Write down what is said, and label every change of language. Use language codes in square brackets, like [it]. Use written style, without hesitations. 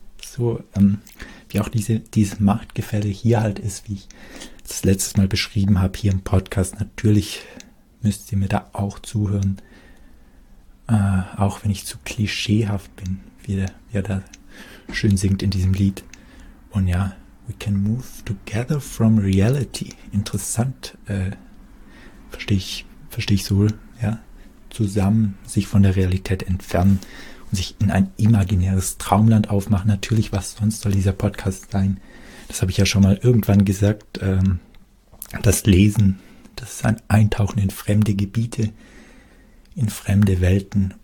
[de] So, wie auch dieses Machtgefälle hier halt ist, wie ich das letztes Mal beschrieben habe hier im Podcast. Natürlich müsst ihr mir da auch zuhören, auch wenn ich zu klischeehaft bin, wie er da schön singt in diesem Lied. Und ja, [en] we can move together from reality. [de] Interessant, verstehe ich so, ja, zusammen sich von der Realität entfernen. Sich in ein imaginäres Traumland aufmachen. Natürlich, was sonst soll dieser Podcast sein? Das habe ich ja schon mal irgendwann gesagt. Das Lesen, das ist ein Eintauchen in fremde Gebiete, in fremde Welten.